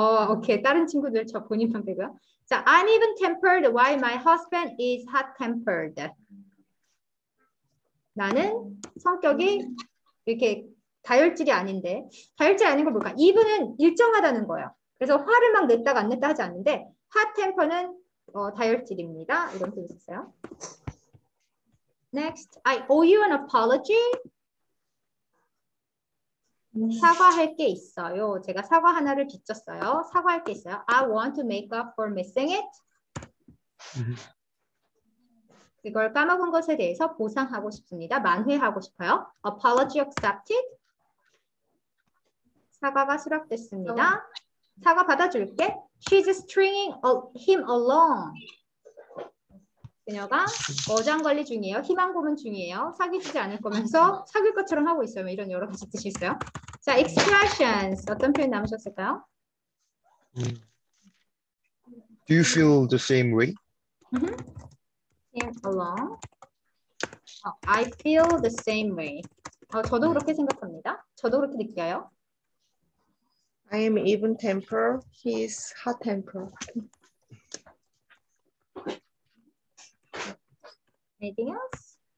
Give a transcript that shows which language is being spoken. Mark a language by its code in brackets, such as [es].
[ko] 오케이. 다른 친구들 저 본인 상태고요. [en] 자, I'm even tempered while my husband is hot tempered. [ko] 나는 성격이 이렇게 다혈질이 아닌데, 다혈질이 아닌 걸 볼까? 이분은 일정하다는 거예요. 그래서 화를 막 냈다가 안 냈다 하지 않는데, 핫 템퍼는 다혈질입니다. 이런 뜻이 있었어요. [en] Next, I owe you an apology. [ko] 사과할 게 있어요. 제가 사과 하나를 빚졌어요. 사과할 게 있어요. [en] I want to make up for missing it. [ko] 이걸 까먹은 것에 대해서 보상하고 싶습니다. 만회하고 싶어요. [en] Apology accepted. [ko] 사과가 수락됐습니다. 사과 받아줄게. [en] She's stringing him along. [ko] 그녀가 어장관리 중이에요. 희망고문 중이에요. 사귀지 않을 거면서 사귈 것처럼 하고 있어요. 이런 여러 가지 뜻이 있어요. 자, expressions. 어떤 표현 남으셨을까요? [en] Do you feel the same way? Him along. I feel the same way. [ko] 저도 그렇게 생각합니다. 저도 그렇게 느껴요. [en] I am even temper, he is hot temper. [ko] 에디어스?